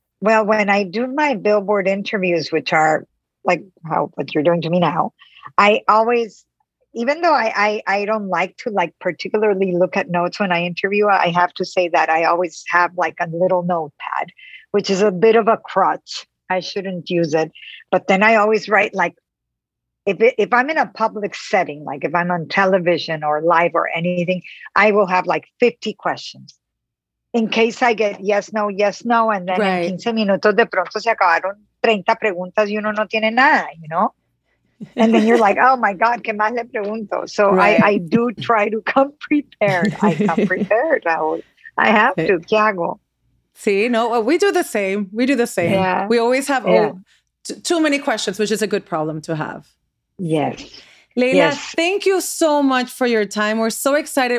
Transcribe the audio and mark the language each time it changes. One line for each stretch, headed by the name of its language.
English: Well, when I do my Billboard interviews, which are like what you're doing to me now, I always, even though I don't like to like particularly look at notes when I interview, I have to say that I always have like a little notepad, which is a bit of a crutch. I shouldn't use it. But then I always write, like, if I'm in a public setting, like if I'm on television or live or anything, I will have like 50 questions in case I get yes, no. And then right.
Spanish: In 15 minutos de pronto se acabaron 30 preguntas y uno no tiene nada,
English: you know? And then you're like, oh my God,
Spanish: ¿qué más le pregunto?
English: So right. I do try to come prepared. I come prepared, Raul. I have to.
Spanish: ¿Qué hago? Sí, no,
English: we do the same. We do the same. Yeah. We always have too many questions, which is a good problem to have. Yes. Leila, thank you so much for your time. We're so excited.